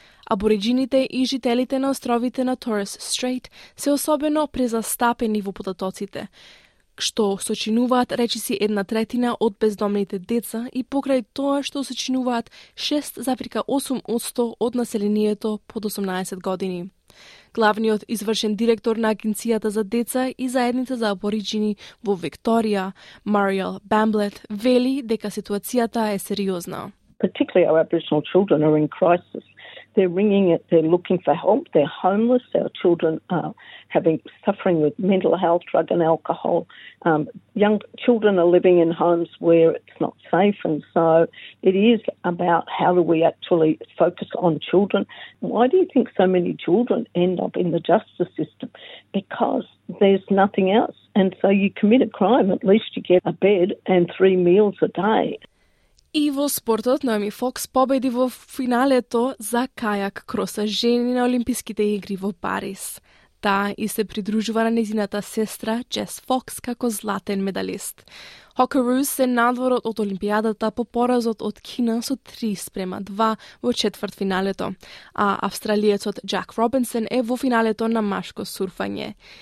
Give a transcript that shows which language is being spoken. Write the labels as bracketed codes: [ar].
[mk] Абориджините и жителите на островите на Торрес Стрейт се особено презастапени во податоците, што сочинуваат речиси една третина од бездомните деца и покрај тоа што сочинуваат 6,8% од населението под 18 години. Главниот извршен директор на Агенцијата за деца и заедница за абориджини во Викторија, Мариел Бамблет, вели дека ситуацијата е сериозна. [en] Particularly our Aboriginal children are in crisis. They're ringing it, they're looking for help, they're homeless, our children are suffering with mental health, drug and alcohol. Young children are living in homes where it's not safe, and so it is about how do we actually focus on children. Why do you think so many children end up in the justice system? Because there's nothing else, and so you commit a crime, at least you get a bed and three meals a day. [mk] И во спортот, Наоми Фокс победи во финалето за кајак кроса жени на Олимписките игри во Париз. Таа и се придружува на незината сестра Джес Фокс како златен медалист. Хокерус се надвор од Олимпијадата по поразот од Кина со 3-2 во четвртфиналето, а австралијецот Джак Робинсон е во финалето на машко сурфање.